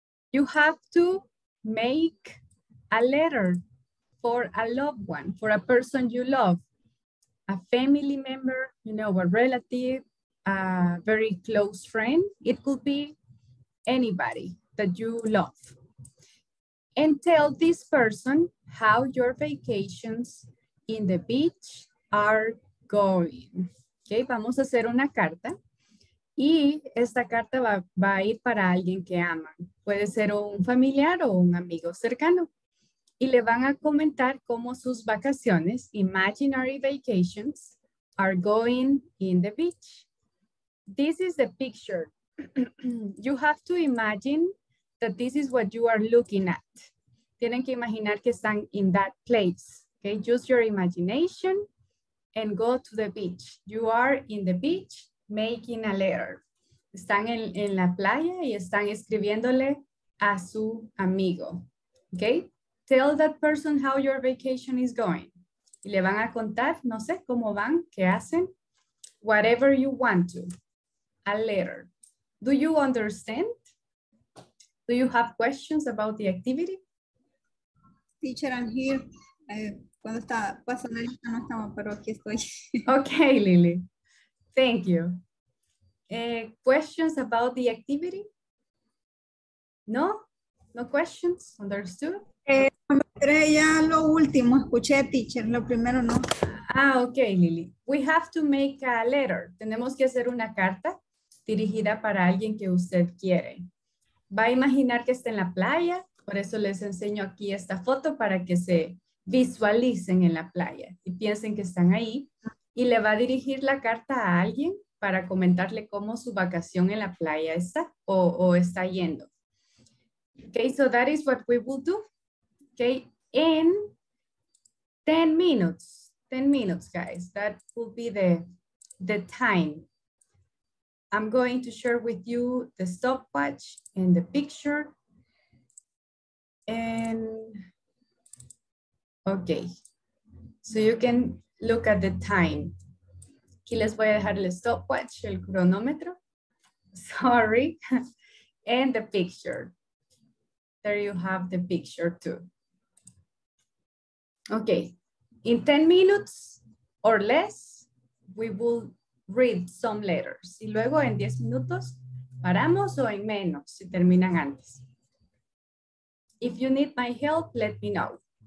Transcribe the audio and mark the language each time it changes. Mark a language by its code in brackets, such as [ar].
[en] You have to make a letter for a loved one, for a person you love, a family member, you know, a relative, a very close friend. It could be anybody that you love. And tell this person how your vacations in the beach are going. [es] Okay, vamos a hacer una carta. Y esta carta va a ir para alguien que ama. Puede ser un familiar o un amigo cercano. Y le van a comentar cómo sus vacaciones, [en] imaginary vacations, are going in the beach. This is the picture. You have to imagine that this is what you are looking at. [es] Tienen que imaginar que están [en] in that place. Okay? Use your imagination and go to the beach. You are in the beach making a letter. [es] Están en la playa y están escribiéndole a su amigo. [en] Okay? Tell that person how your vacation is going. [es] Y le van a contar, no sé, cómo van, qué hacen. [en] Whatever you want to. A letter. Do you understand? Do you have questions about the activity? Teacher, I'm here. [es] cuando estaba pasando ahorita no estaba, pero aquí estoy. [en] Okay, Lily. Thank you. Questions about the activity? No? No questions? Understood? [es] Ya lo último, escuché, teacher, lo primero no. [en] Ah, okay, Lily. We have to make a letter. [es] Tenemos que hacer una carta dirigida para alguien que usted quiere. Va a imaginar que está en la playa, por eso les enseño aquí esta foto para que se visualicen en la playa y piensen que están ahí. Y le va a dirigir la carta a alguien para comentarle cómo su vacación en la playa está o está yendo. [en] Okay, so that is what we will do. Okay, in 10 minutes. 10 minutes, guys. That will be the time. I'm going to share with you the stopwatch and the picture. And okay, so you can look at the time. [es] Aquí les voy a dejar el stopwatch, el cronómetro. [en] Sorry. And the picture. There you have the picture too. Okay, in 10 minutes or less, we will read some letters. [es] Y luego en 10 minutos paramos o en menos, si terminan antes. [en] If you need my help, let me know.